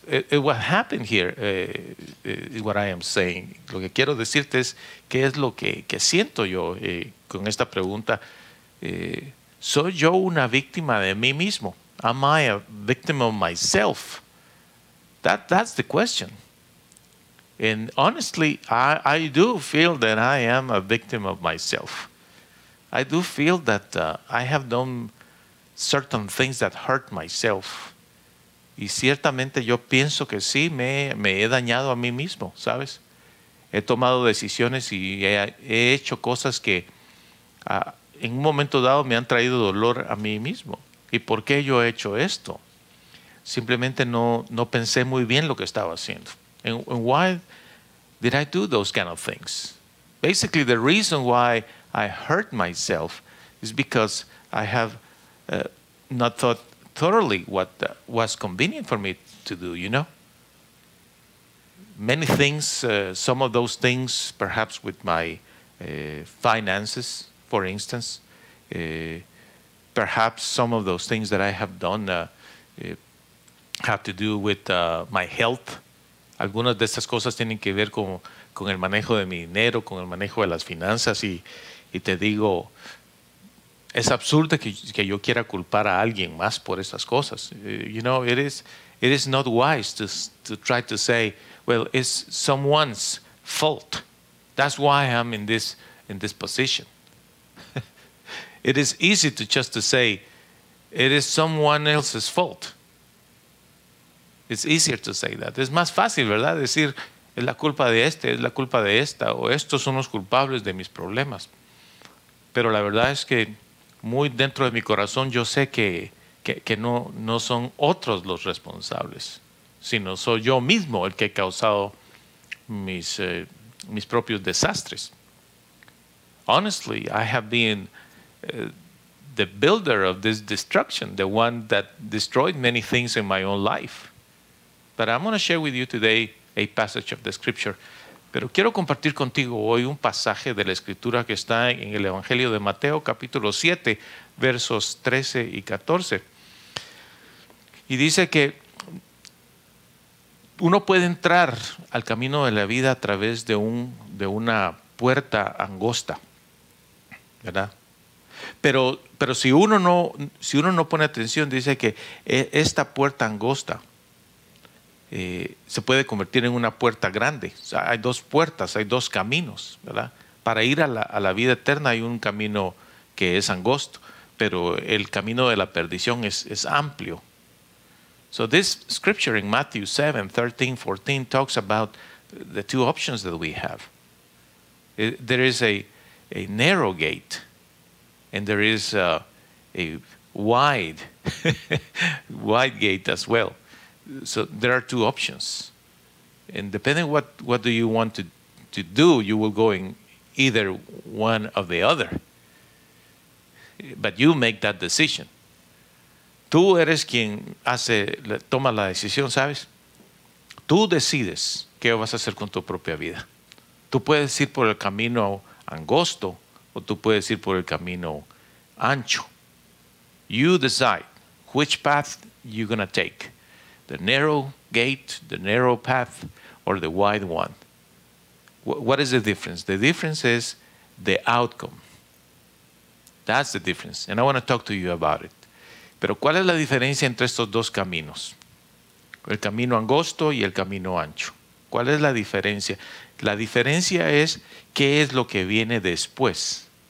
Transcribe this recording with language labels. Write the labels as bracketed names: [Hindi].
[English] What happened here is what I am saying. [Spanish] Lo que quiero decirte es qué es lo que siento yo con esta pregunta. ¿Soy yo una víctima de mí mismo? [English] Am I a victim of myself? That's the question. And honestly, I do feel that I am a victim of myself. I do feel that I have done certain things that hurt myself. [Spanish] Y ciertamente yo pienso que sí, me he dañado a mí mismo, ¿sabes? He tomado decisiones y he hecho cosas que en un momento dado me han traído dolor a mí mismo. ¿Y por qué yo he hecho esto? Simplemente no pensé muy bien lo que estaba haciendo. [English] And why did I do those kind of things? Basically, the reason why I hurt myself is because I have not thought thoroughly what was convenient for me to do, you know? Many things, some of those things, perhaps with my finances, for instance, perhaps some of those things that I have done have to do with my health. [Spanish] Algunas de estas cosas tienen que ver con el manejo de mi dinero, con el manejo de las finanzas, y te digo, es absurdo que yo quiera culpar a alguien más por estas cosas. [English] You know, it is not wise to try to say, well, it's someone's fault. That's why I'm in this position. It is easy to just to say, it is someone else's fault. It's easier to say that. [Spanish] Es más fácil, ¿verdad? Decir, es la culpa de este, es la culpa de esta, o estos son los culpables de mis problemas. Pero la verdad es que muy dentro de mi corazón yo sé que no son otros los responsables, sino soy yo mismo el que he causado mis propios desastres. [English] Honestly, I have been the builder of this destruction, the one that destroyed many things in my own life. But I'm going to share with you today a passage of the scripture. [Spanish] Pero quiero compartir contigo hoy un pasaje de la escritura que está en el Evangelio de Mateo, capítulo 7, versos 13 y 14. Y dice que uno puede entrar al camino de la vida a través de una puerta angosta, ¿verdad? Pero si uno no pone atención, dice que esta puerta angosta se puede convertir en una puerta grande. O sea, hay dos puertas, hay dos caminos, ¿verdad? Para ir a la vida eterna hay un camino que es angosto, pero el camino de la perdición es amplio. [English] So this scripture in Matthew 7, 13, 14 talks about the two options that we have. There is a narrow gate and there is a wide wide gate as well. So there are two options, and depending what do you want to do, you will go in either one or the other. but you make that decision. [Spanish] Tú eres quien hace, toma la decisión, ¿sabes? Tú decides qué vas a hacer con tu propia vida. Tú puedes ir por el camino angosto o tú puedes ir por el camino ancho. [English] You decide which path you're going to take. The narrow gate, the narrow path, or the wide one. What is the difference? The difference is the outcome. That's the difference. And I want to talk to you about it. [Spanish] Pero ¿cuál es la diferencia entre estos dos caminos? El camino angosto y el camino ancho. ¿Cuál es la diferencia? La diferencia es qué es lo que viene después.